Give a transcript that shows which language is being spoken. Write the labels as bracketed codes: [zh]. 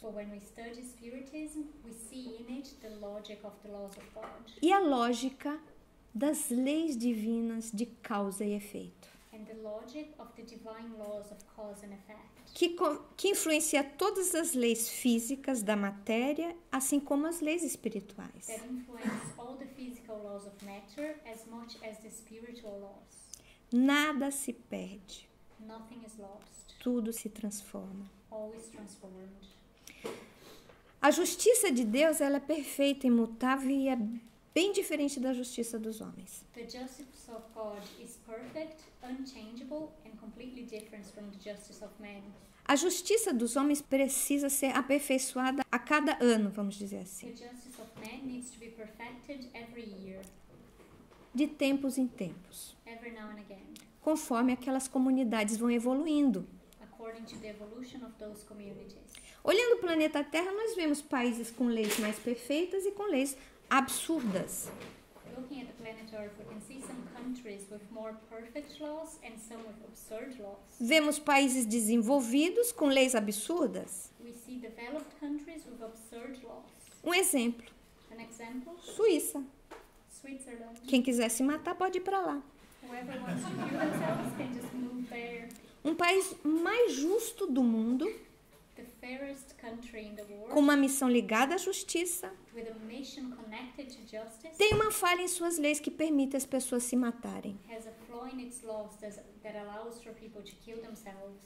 [en] But when we study Spiritism, we see in it the logic of the laws of God. [pt] E a lógica das leis divinas de causa e efeito. [en] And the logic of the divine laws of cause and effect. [pt] Que influencia todas as leis físicas da matéria, assim como as leis espirituais. [en] That influences all the physical laws of matter as much as the spiritual laws. [pt] Nada se perde. [en] Nothing is lost. [pt] Tudo se transforma. [en] Always transformed. [pt] A justiça de Deus, ela é perfeita, imutável e é bem diferente da justiça dos homens. [en] The justice of God is perfect, unchangeable and completely different from the justice of men. [pt] A justiça dos homens precisa ser aperfeiçoada a cada ano, vamos dizer assim. [en] The justice of men needs to be perfected every year. [pt] De tempos em tempos. [en] Every now and again. [pt] Conforme aquelas comunidades vão evoluindo. [en] According to the evolution of those communities. [pt] Olhando o planeta Terra, nós vemos países com leis mais perfeitas e com leis absurdas. [en] Looking at the planet Earth, we can see some countries with more perfect laws and some with absurd laws. [pt] Vemos países desenvolvidos com leis absurdas. [en] We see developed countries with absurd laws. [pt] Um exemplo. [en] An example. [pt] Suíça. [en] Switzerland. [pt] Quem quiser se matar pode ir para lá. [en] Whoever wants to kill themselves can just move there. [pt] Um país mais justo do mundo. [en] The fairest country in the world, [pt] com uma missão ligada à justiça, [en] with a mission connected to justice, [pt] tem uma falha em suas leis que permite as pessoas se matarem. [en] Has a flaw in its laws that allows for people to kill themselves.